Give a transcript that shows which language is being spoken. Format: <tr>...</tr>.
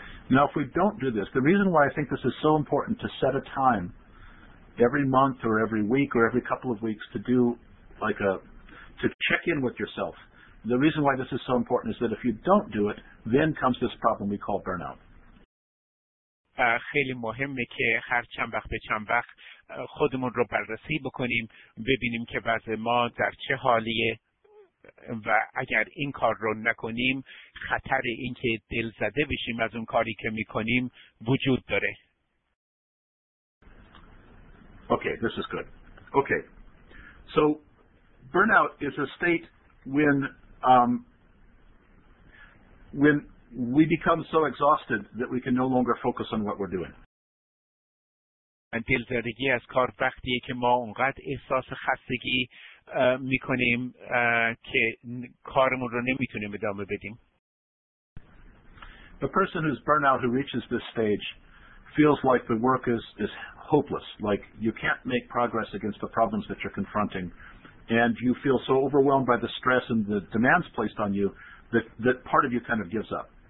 <en>Now if we don't do this, the reason why I think this is so important to set a time every month or every week or every couple of weeks to do like to check in with yourself. The reason why this is so important is that if you don't do it, then comes this problem we call burnout.</en> <fa>خیلی مهمه که هر چند وقت به چند وقت خودمون رو بررسی بکنیم، ببینیم که وضع ما در چه حالیه، و اگر این کار رو نکنیم، خطر اینکه دل زده بشیم از اون کاری که میکنیم وجود داره.</fa> <en>Okay, this is good. Okay. So burnout is a state when we become so exhausted that we can no longer focus on what we're doing.</en> <fa>And دلزدگی از کار وقتیه که ما اونقدر احساس خستگی میکنیم که کارمون رو نمیتونیم ادامه بدیم.</fa> <en>The person who's burnout, who reaches this stage, feels like the work is hopeless, like you can't make progress against the problems that you're confronting. And you feel so overwhelmed by the stress and the demands placed on you that part of you kind of gives up.</en>